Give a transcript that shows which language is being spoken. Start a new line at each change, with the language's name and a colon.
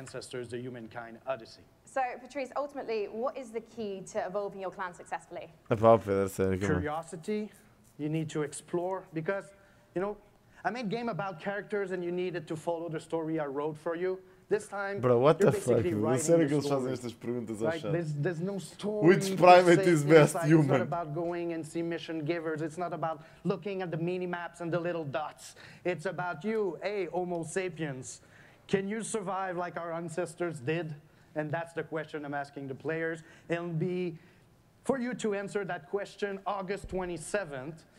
English: So, Patrice, ultimately, what is the key to evolving your clan successfully? Curiosity. You need to explore. Because, you know, I made a game about characters and you needed to follow the story I wrote for you. This time, bro, what the fuck?
Portuguese: Não sei que eles fazem estas perguntas ao chat.
English: Like, there's no story. Which primate is best human? It's not about going and see mission givers. It's not about looking at the mini maps and the little dots. It's about you, hey, Homo sapiens. Can you survive like our ancestors did? And that's the question I'm asking the players. It'll be for you to answer that question August 27th.